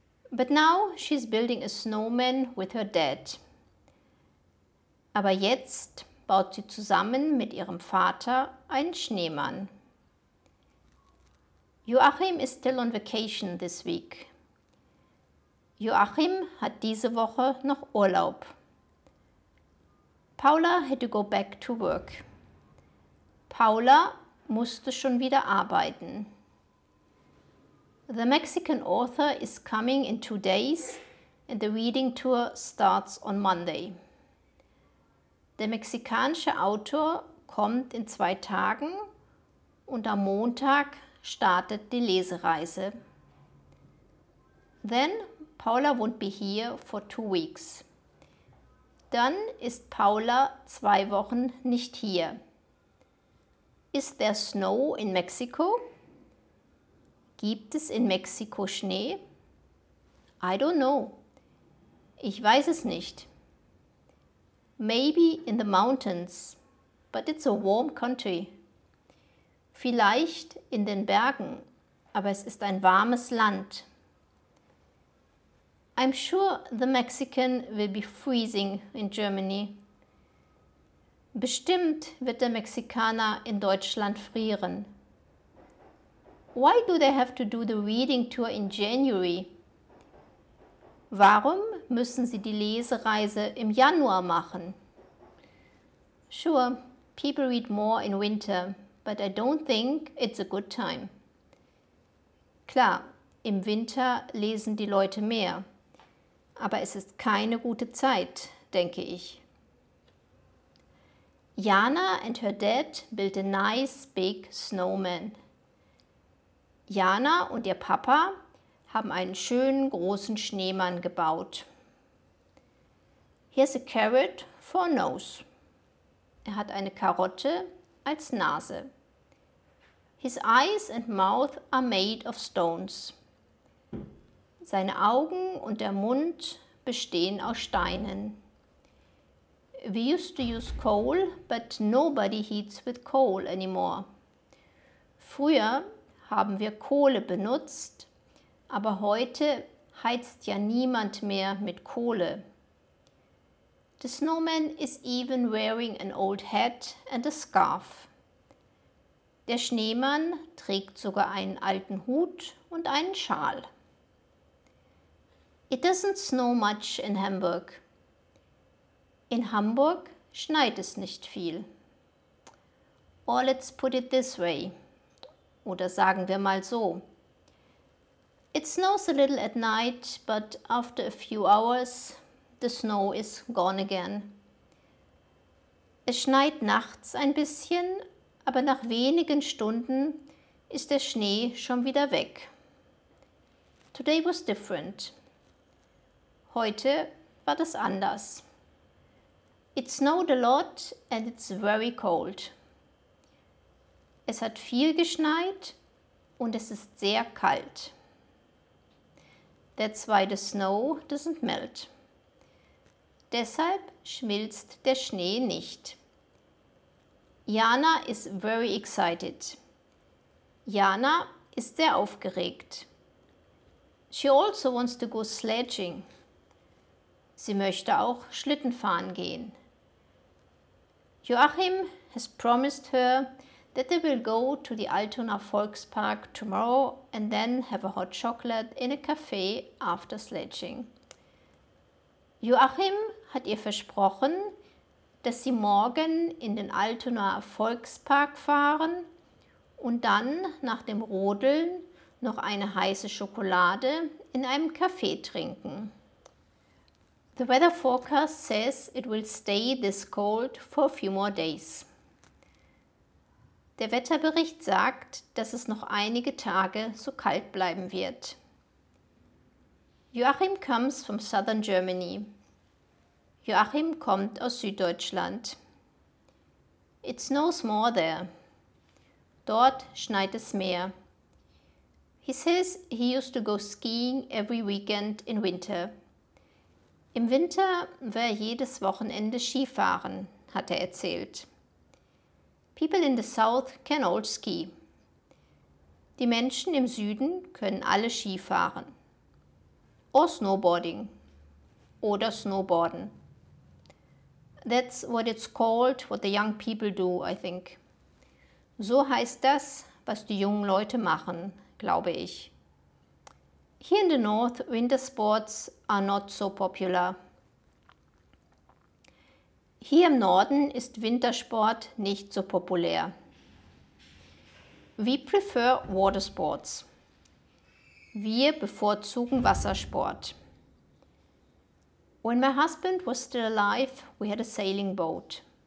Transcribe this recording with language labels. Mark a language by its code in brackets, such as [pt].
[en] But now she's building a snowman with her dad. [de] Aber jetzt baut sie zusammen mit ihrem Vater einen Schneemann. [en] Joachim is still on vacation this week. [de] Joachim hat diese Woche noch Urlaub. [en] Paula had to go back to work. [de] Paula musste schon wieder arbeiten. [en] The Mexican author is coming in 2 days and the reading tour starts on Monday. [de] Der mexikanische Autor kommt in 2 Tagen und am Montag startet die Lesereise. [en] Then Paula won't be here for 2 weeks. [de] Dann ist Paula 2 Wochen nicht hier. [en] Is there snow in Mexico? [de] Gibt es in Mexiko Schnee? [en] I don't know. [de] Ich weiß es nicht. [en] Maybe in the mountains, but it's a warm country. [de] Vielleicht in den Bergen, aber es ist ein warmes Land. [en] I'm sure the Mexican will be freezing in Germany. [de] Bestimmt wird der Mexikaner in Deutschland frieren. [en] Why do they have to do the reading tour in January? [de] Warum müssen sie die Lesereise im Januar machen? [en] Sure, people read more in winter, but I don't think it's a good time. [de] Klar, im Winter lesen die Leute mehr, aber es ist keine gute Zeit, denke ich. [en] Jana and her dad built a nice big snowman. [de] Jana und ihr Papa haben einen schönen großen Schneemann gebaut. [en] Here's a carrot for a nose. [de] Er hat eine Karotte als Nase. [en] His eyes and mouth are made of stones. [de] Seine Augen und der Mund bestehen aus Steinen. [en] We used to use coal, but nobody heats with coal anymore. [de] Früher haben wir Kohle benutzt, aber heute heizt ja niemand mehr mit Kohle. [en] The snowman is even wearing an old hat and a scarf. [de] Der Schneemann trägt sogar einen alten Hut und einen Schal. [en] It doesn't snow much in Hamburg. [de] In Hamburg schneit es nicht viel. [en] Or let's put it this way. [de] Oder sagen wir mal so. [en] It snows a little at night, but after a few hours, the snow is gone again. [de] Es schneit nachts ein bisschen, aber nach wenigen Stunden ist der Schnee schon wieder weg. [en] Today was different. [de] Heute war das anders. [en] It snowed a lot and it's very cold. [de] Es hat viel geschneit und es ist sehr kalt. [en] That's why the snow doesn't melt. [de] Deshalb schmilzt der Schnee nicht. [en] Jana is very excited. [de] Jana ist sehr aufgeregt. [en] She also wants to go sledging. [de] Sie möchte auch Schlitten fahren gehen. [en] Joachim has promised her that they will go to the Altona Volkspark tomorrow and then have a hot chocolate in a cafe after sledging. [de] Joachim hat ihr versprochen, dass sie morgen in den Altona Volkspark fahren und dann nach dem Rodeln noch eine heiße Schokolade in einem Café trinken. [en] The weather forecast says it will stay this cold for a few more days. [de] Der Wetterbericht sagt, dass es noch einige Tage so kalt bleiben wird. [en] Joachim comes from southern Germany. [de] Joachim kommt aus Süddeutschland. [en] It snows more there. [de] Dort schneit es mehr. [en] He says he used to go skiing every weekend in winter. [de] Im Winter wäre jedes Wochenende Skifahren, hat er erzählt. [en] People in the South can all ski. [de] Die Menschen im Süden können alle Skifahren. [en] Or snowboarding. [de] Oder snowboarden. [en] That's what it's called, what the young people do, I think. [de] So heißt das, was die jungen Leute machen, glaube ich. [en] Here in the North, winter sports are not so popular. [de] Hier im Norden ist Wintersport nicht so populär. [en] We prefer water sports. [de] Wir bevorzugen Wassersport. [en] When my husband was still alive, we had a sailing boat.